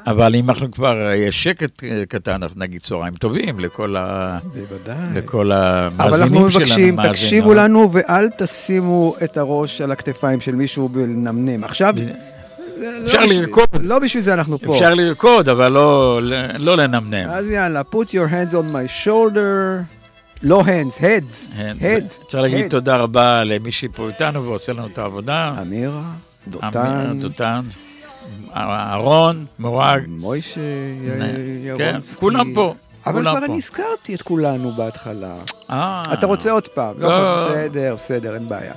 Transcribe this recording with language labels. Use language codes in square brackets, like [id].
[he] אבל אם אנחנו כבר, יש שקט קטן, אנחנו נגיד צהריים טובים לכל, לכל המאזינים שלנו. אבל אנחנו מבקשים, תקשיבו לנו ואל תשימו את הראש על הכתפיים של מישהו ולנמנם. עכשיו... אפשר לרקוד. לא בשביל זה אנחנו פה. אפשר לרקוד, אבל לא, לא לנמנם. אז יאללה, [en] put your hands on my shoulder. [he] לא [en] hands, heads. Head. [he] צריך להגיד תודה רבה למי שפה איתנו ועושה לנו את העבודה. אמירה, דותן. דותן. אהרון, מורג. מוישה ירונסקי. כן, כולם פה. אבל כבר אני הזכרתי את כולנו בהתחלה. אה. אתה רוצה עוד פעם? לא, בסדר, בסדר, אין בעיה.